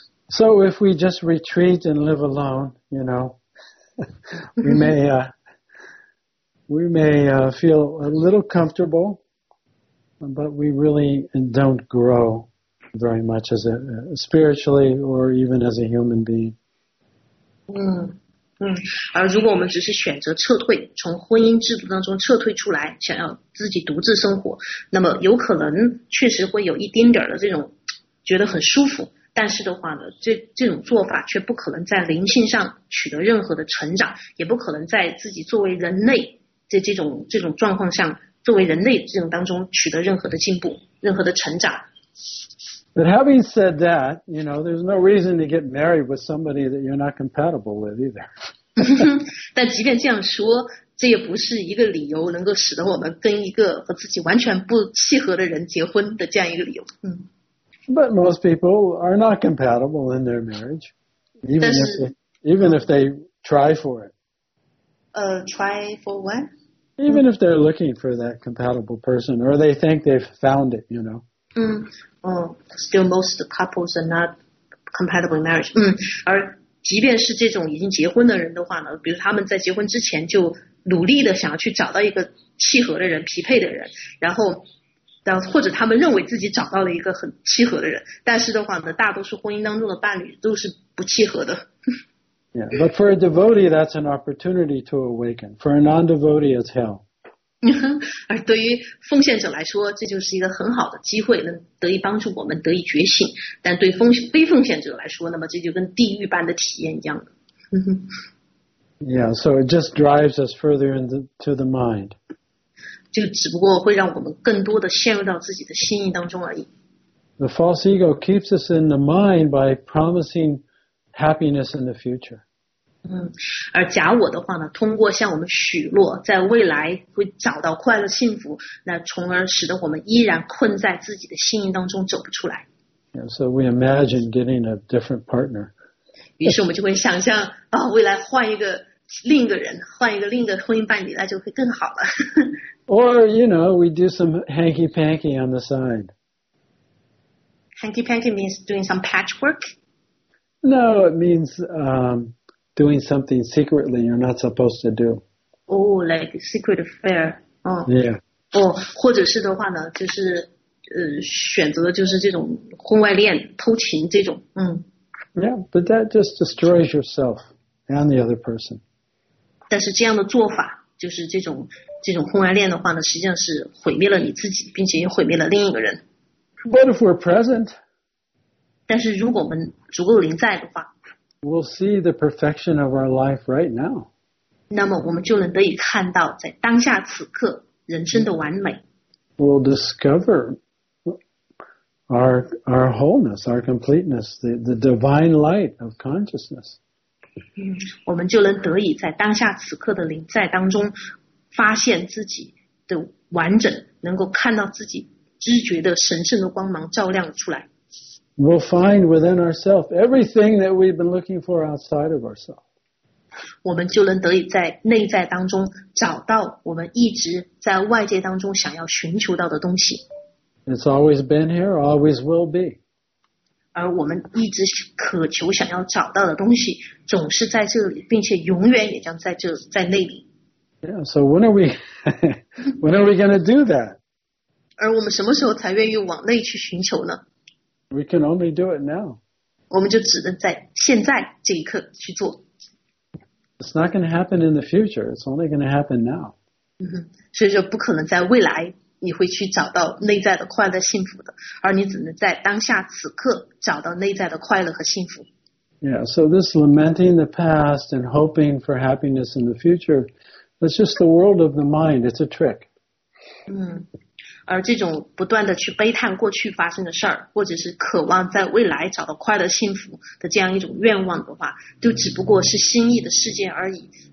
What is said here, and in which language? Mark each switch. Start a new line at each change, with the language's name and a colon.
English: So if we just retreat and live alone, you know, we may feel a little comfortable, but we really don't grow very much as a spiritually or even as a human being.
Chinese: 而如果我们只是选择撤退，从婚姻制度当中撤退出来，想要自己独自生活，那么有可能确实会有一丁点的这种觉得很舒服，但是的话呢，这种做法却不可能在灵性上取得任何的成长，也不可能在自己作为人类在这种状况下，作为人类这种当中取得任何的进步，任何的成长。
English: But having said that, you know, there's no reason to get married with somebody that you're not compatible with either.
Chinese: 但即便这样说，这也不是一个理由能够使得我们跟一个和自己完全不契合的人结婚的这样一个理由。
English: But most people are not compatible in their marriage, even if they try for it. Try for what? Even if they're looking for that compatible person, or they think they've found it, you know. Still most couples are not compatible in marriage.
Chinese: 而即便是这种已经结婚的人的话呢，比如他们在结婚之前就努力的想要去找到一个契合的人、匹配的人，然后或者他们认为自己找到了一个很契合的人，但是的话呢，大多数婚姻当中的伴侣都是不契合的。
English: Yeah, but for a devotee, that's an opportunity to awaken. For a non-devotee, it's hell.
Chinese: 而对于奉献者来说，这就是一个很好的机会，能得以帮助我们得以觉醒。但对非奉献者来说，那么这就跟地狱般的体验一样的。
English: Yeah, so it just drives us further into the mind.
Chinese: 就只不过会让我们更多的陷入到自己的心意当中而已。
English: The false ego keeps us in the mind by promising happiness in the future.
Chinese: 而假我的话呢，通过向我们许诺在未来会找到快乐幸福，那从而使得我们依然困在自己的心意当中走不出来。
English: Yeah, so we imagine getting a different partner.
Chinese: 于是我们就会想象啊，未来换一个另一个婚姻伴侣，那就会更好了。
English: Or you know, we do some hanky panky on the side. Hanky panky means doing some patchwork. No, it means doing something secretly you're not supposed to do. Oh, like secret affair. Oh. Yeah.
Chinese: Oh, 或者是的话呢，就是选择就是这种婚外恋、偷情这种。嗯。
English: Yeah, but that just destroys yourself and the other person.
Chinese: 但是这样的做法就是这种婚外恋的话呢，实际上是毁灭了你自己，并且也毁灭了另一个人。
English: But if we're present,
Chinese: 但是如果我们足够临在的话
English: ，we'll see the perfection of our life right now.
Chinese: 那么我们就能得以看到在当下此刻人生的完美。
English: We'll discover our wholeness, our completeness, the divine light of consciousness.
Chinese: 嗯，我们就能得以在当下此刻的临在当中。发现自己的完整，能够看到自己知觉的神圣的光芒照亮出来。
English: We'll find within ourselves everything that we've been looking for outside of ourselves.
Chinese: 我们就能得以在内在当中找到我们一直在外界当中想要寻求到的东西。
English: It's always been here, always will be.
Chinese: 而我们一直渴求想要找到的东西，总是在这里，并且永远也将在这，在那里。
English: Yeah, so when are we going to do that?
Chinese: 而我们什么时候才愿意往内去寻求呢？
English: We can only do it now.
Chinese: 我们就只能在现在这一刻去做。
English: It's not going to happen in the future. It's only going to happen now.
Chinese: 所以说不可能在未来你会去找到内在的快乐幸福的，而你只能在当下此刻找到内在的快乐和幸福。
English: Yeah, so this lamenting the past and hoping for happiness in the future,It's just the world of the mind. It's a trick.
Chinese: 嗯，而这种不断的去悲叹过去发生的事儿，或者是渴望在未来找到快乐幸福的这样一种愿望的话，就只不过是心意的事件而已。